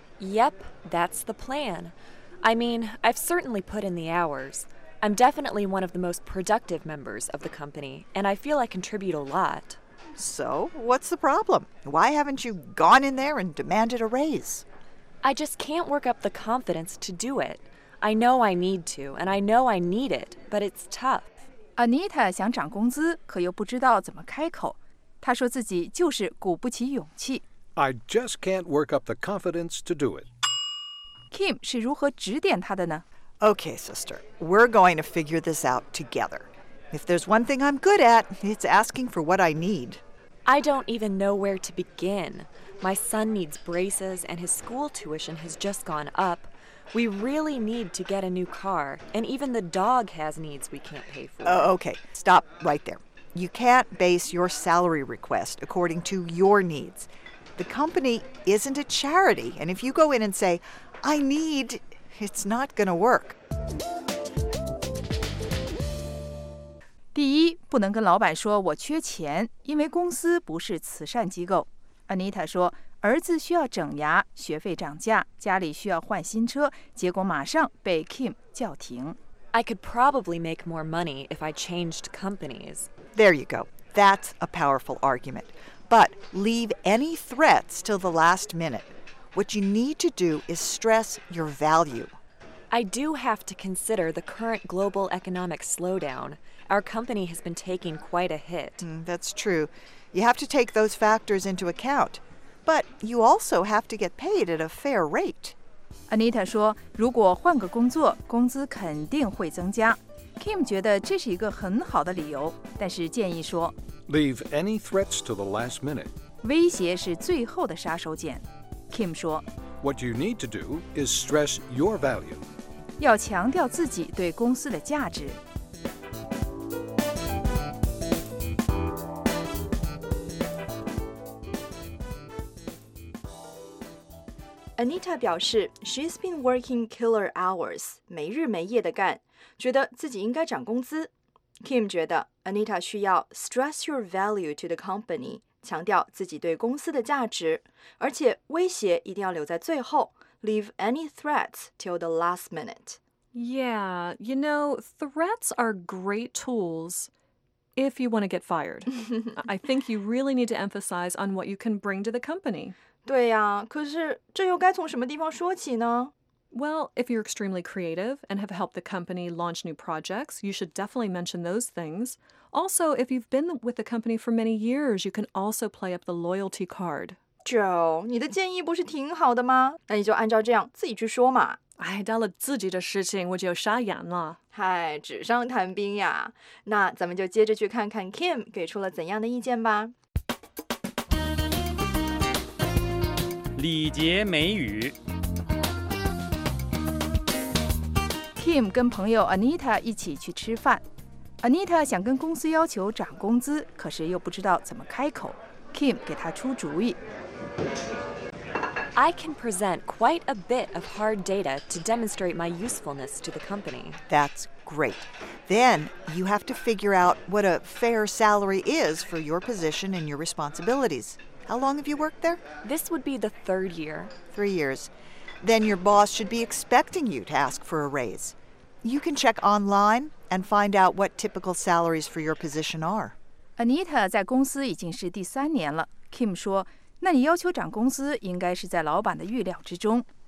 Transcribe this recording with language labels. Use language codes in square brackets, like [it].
[en] Yep, that's the plan I mean, I've certainly put in the hours I'm definitely one of the most productive members of the company, and I feel I contribute a lot. So, what's the problem? Why haven't you gone in there and demanded a raise? I just can't work up the confidence to do it. I know I need to, and I know I need it, but it's tough. [zh] Anita 想涨工资，可又不知道怎么开口。她说自己就是鼓不起勇气。 [en] I just can't work up the confidence to do it. [zh] Kim 是如何指点她的呢？ [en] Okay, sister, we're going to figure this out together. If there's one thing I'm good at, it's asking for what I need. I don't even know where to begin. My son needs braces, and his school tuition has just gone up. We really need to get a new car, and even the dog has needs we can't pay for. Okay, stop right there. You can't base your salary request according to your needs. The company isn't a charity, and if you go in and say, I need... It's not gonna work. [zh] 第一，不能跟老板说我缺钱，因为公司不是慈善机构。 Anita 说，儿子需要整牙，学费涨价，家里需要换新车，结果马上被 Kim 叫停。 [en] I could probably make more money if I changed companies. There you go. That's a powerful argument. But leave any threats till the last minute. What you need to do is stress your value. I do have to consider the current global economic slowdown. Our company has been taking quite a hit. That's true. You have to take those factors into account. But you also have to get paid at a fair rate. [zh] Anita 说，如果换个工作，工资肯定会增加。 Kim 觉得这是一个很好的理由，但是建议说 [en] Leave any threats to the last minute. [zh] 威胁是最后的杀手锏。Kim 说 [en] What you need to do is stress your value. [zh] 要强调自己对公司的价值。 Anita 表示 [en] She's been working killer hours, [zh] 没日没夜的干，觉得自己应该涨工资。 Kim 觉得 Anita 需要 [en] stress your value to the company. [zh] 强调自己对公司的价值，而且威胁一定要留在最后 ， [en] leave any threats till the last minute. Yeah, you know, threats are great tools if you want to get fired. I think you really need to emphasize on what you can bring to the company. [zh] 对呀，可是这又该从什么地方说起呢？ [en] Well, if you're extremely creative and have helped the company launch new projects, you should definitely mention those things. Also, if you've been with the company for many years, you can also play up the loyalty card. [zh] Joe, 你的建议不是挺好的吗？那你就按照这样自己去说嘛。哎，到了自己的事情，我就傻眼了。嗨，纸上谈兵呀。那咱们就接着去看看 Kim 给出了怎样的意见吧。礼节美语。 Kim 跟朋友 Anita 一起去吃饭。Anita 想跟公司要求涨工资，可是又不知道怎么开口。 Kim 给她出主意。 [en] I can present quite a bit of hard data to demonstrate my usefulness to the company. That's great. Then you have to figure out what a fair salary is for your position and your responsibilities. How long have you worked there? This would be the third year. 3 years. Then your boss should be expecting you to ask for a raise. You can check online and find out what typical salaries for your position are. [zh] Anita 在公司已经是第三年了。 Kim 说那你要求涨工资应该是在老板的预料之中。